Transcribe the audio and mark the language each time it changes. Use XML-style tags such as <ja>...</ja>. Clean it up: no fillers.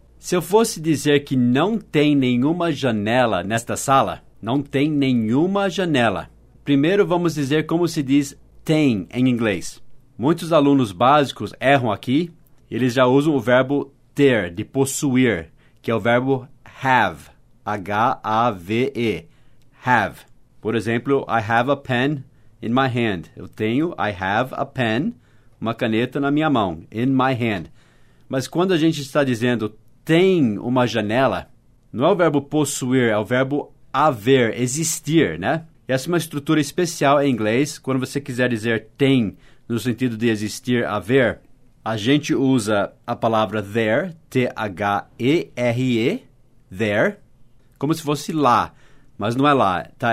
<pt>Se eu fosse dizer que não tem nenhuma janela nesta sala, não tem nenhuma janela. Primeiro, vamos dizer como se diz tem em inglês. Muitos alunos básicos erram aqui. Eles já usam o verbo ter, de possuir, que é o verbo have, H-A-V-E, have.</pt> <en>Por exemplo, I have a pen in my hand.</en> <pt>Eu tenho,</pt> <en>I have a pen,</en> <pt>uma caneta na minha mão,</pt> <en>in my hand.</en> <pt>Mas quando a gente está dizendo tem uma janela, não é o verbo possuir, é o verbo haver, existir, né? Essa é uma estrutura especial em inglês. Quando você quiser dizer tem no sentido de existir, haver, a gente usa a palavra there, T-H-E-R-E, there, como se fosse lá, mas não é lá, tá?</pt>